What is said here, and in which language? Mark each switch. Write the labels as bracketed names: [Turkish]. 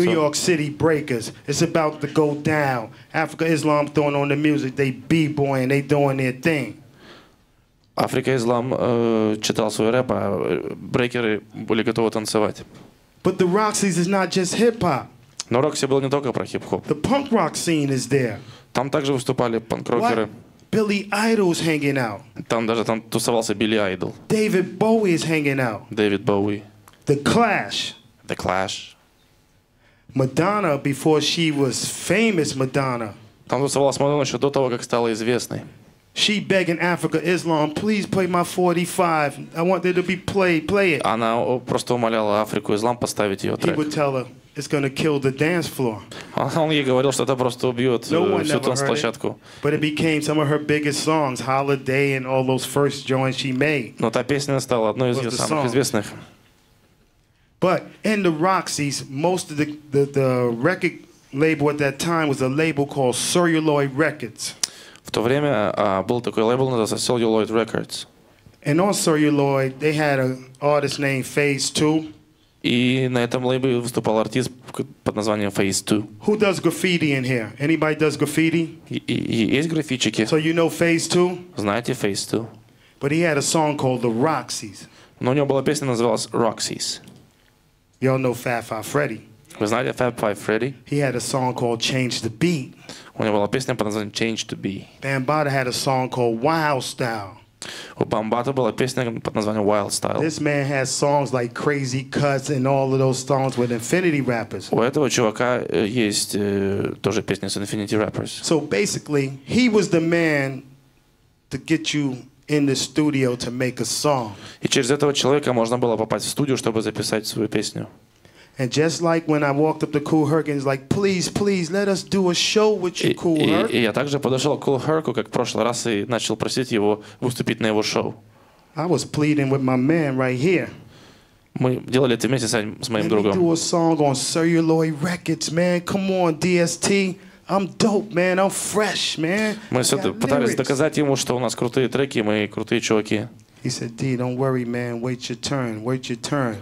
[English] New York City Breakers. It's about to go down. Afrika Islam throwing on the music. They b-boying. They doing their thing. [Russian] Afrika Islam читал свой рэп, а брейкеры были готовы танцевать. [English] But the rock scene is not just hip-hop. [Russian] Но рок был не только про хип-хоп. [English] The punk rock scene is there. [Russian] Там также выступали панк-рокеры. [English] Billy Idol's hanging out. [Russian] Там даже там тусовался Билли Айдол. [English] David Bowie is hanging out. [Russian] David Bowie. [English] The Clash. [Russian] The Clash. [English] Madonna before she was famous Madonna. [Russian] Там тусовалась Мадонна ещё до того, как стала известной. [English] She begging Afrika Islam, please play my 45. I want it to be played. Play it. [Russian] Она просто умоляла Африку Ислам поставить её трек. [English] He would tell her it's gonna kill the dance floor. [Russian] Он ей говорил, что это просто убьёт всю танцплощадку. [English] But it became some of her biggest songs, Holiday and all those first joints she made. [Russian] Но та песня стала одной из её самых известных. [English] But in the Roxy's, most of the record label at that time was a label called Celluloid Records. [Russian] В то время был такой лейбл, назывался Celluloid Records. [English] And on Celluloid, they had an artist named Phase 2. [Russian] И на этом лейбле выступал артист под названием Phase 2. [English] Who does graffiti in here? Anybody does graffiti? [Russian] Есть граффитчики. [English] So you know Phase 2? [Russian] Знаете Phase 2. [English] But he had a song called The Roxy's. [Russian] Но у него была песня, называлась Roxy's. [English] Y'all know Fat Five Freddy. [Russian] Вы знаете Fat Five Freddy? [English] He had a song called Change the Beat. [Russian] У него была песня под названием Change to Be. [English] Bambaataa had a song called Wild Style. [Russian] У Bambaataa была песня под названием Wild Style. [English] This man has songs like Crazy Cuts and all of those songs with Infinity Rappers. [Russian] У этого чувака есть тоже песня с Infinity Rappers. [English] So basically, he was the man to get you in the studio to make a song. [Russian] И через этого человека можно было попасть в студию, чтобы записать свою песню. [English] And just like when I walked up to Kool Herc, he's like, please, please, let us do a show with you, Kool Herc. [Russian] И я также подошел к Kool Herc, как в прошлый раз, и начал просить его выступить на его шоу. [English] I was pleading with my man right here. [Russian] Мы делали это вместе с моим другом. [English] Let me do a song on Celluloid Records, man. Come on, DST. I'm dope, man. I'm fresh, man. [Russian] Мы пытались доказать ему, что у нас крутые треки, мы крутые чуваки. [English] He said, "D, don't worry, man. Wait your turn. Wait your turn."